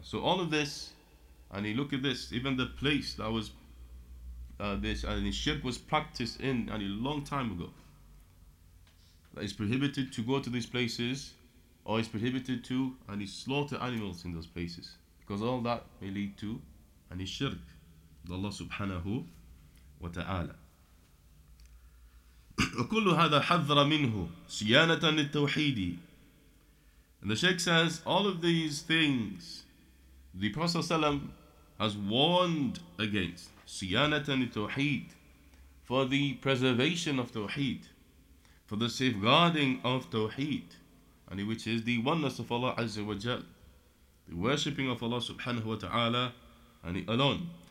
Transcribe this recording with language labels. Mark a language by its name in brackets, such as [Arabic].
[English] So all of this, and you look at this, even the place that was this and the shirk was practiced in and a long time ago, that is prohibited to go to these places or is prohibited to and slaughter animals in those places, because all that may lead to and shirk with Allah subhanahu wa ta'ala. [Arabic] وكل هذا حذر منه صيانة للتوحيد. [English] And the Sheikh says all of these things the Prophet has warned against, [Arabic] صيانة للتوحيد, [English] for the preservation of tawheed, for the safeguarding of tawheed, and which is the oneness of Allah Azza wa Jal, the worshipping of Allah subhanahu wa ta'ala and alone.